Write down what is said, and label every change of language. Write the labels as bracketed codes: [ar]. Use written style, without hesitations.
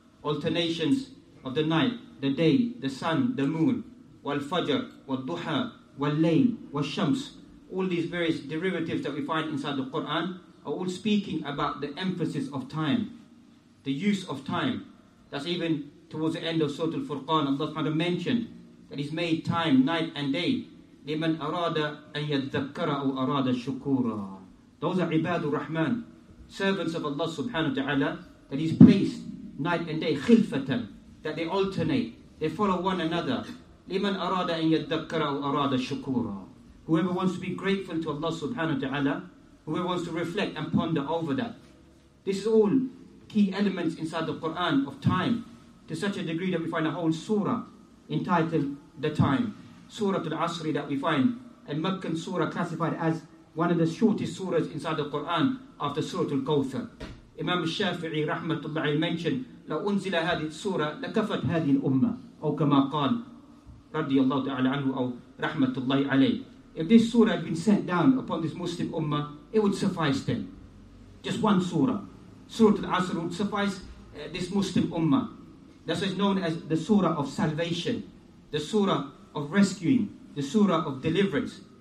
[en] Alternations of the night, the day, the sun, the moon, wal fajr, wal duha, wal layl, wal shams. All these various derivatives that we find inside the Qur'an are all speaking about the emphasis of time, the use of time. That's even towards the end of Surah Al-Furqan, Allah subhanahu wa ta'ala mentioned that He's made time, night and day. [ar] لِمَنْ أَرَادَ أَنْ يَذَّكَّرَ أَوْ أَرَادَ شُكُورًا. [en] Those are ibadur rahman, servants of Allah subhanahu wa ta'ala, that He's placed night and day, خِلْفَةً, that they alternate, they follow one another. [ar] لِمَنْ أَرَادَ أَنْ يَذَّكَّرَ أَوْ أَرَادَ شُكُورًا. [en] Whoever wants to be grateful to Allah subhanahu wa ta'ala, whoever wants to reflect and ponder over that. This is all key elements inside the Qur'an of time, to such a degree that we find a whole surah entitled The Time, Surah Al-Asri, that we find a Meccan surah classified as one of the shortest surahs inside the Qur'an after Surah Al-Kawthar. Imam Shafi'i rahmatullahi mentioned, [ar] لَوْ أُنزِلَ هَذِهِ السُّورَةِ لَكَفَتْ هَذِهِ الْأُمَّةِ أَوْ كَمَا قَالْ رَضِيَ اللَّهُ تَعَالَى عَنْهُ أَوْ رَحْمَةُ اللَّهِ عَلَيْهِ. [en] If this surah had been sent down upon this Muslim ummah, it would suffice then. Just one surah, Surah Al-Asr, would suffice this Muslim ummah. That's why it's known as the surah of salvation, the surah of rescuing, the surah of deliverance.